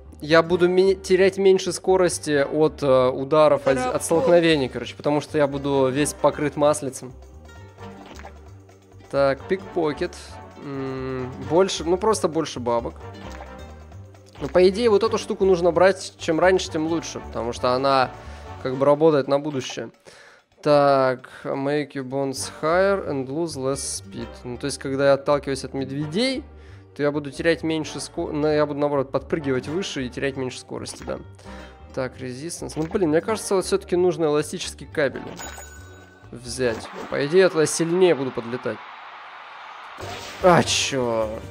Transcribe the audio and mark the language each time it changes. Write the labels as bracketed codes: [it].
[ru] Я буду терять меньше скорости от ударов, от столкновений, короче, потому что я буду весь покрыт маслицем. Так, пикпокет. Больше, ну просто больше бабок. Ну, по идее, вот эту штуку нужно брать чем раньше, тем лучше, потому что она как бы работает на будущее. [en] Так, make your bones higher and lose less speed. [ru] Ну, то есть, когда я отталкиваюсь от медведей, то я буду терять меньше скорости. Ну, я буду, наоборот, подпрыгивать выше и терять меньше скорости, да. Так, resistance. Ну, блин, мне кажется, вот все-таки нужно эластический кабель взять. По идее, я туда сильнее буду подлетать. А, черт.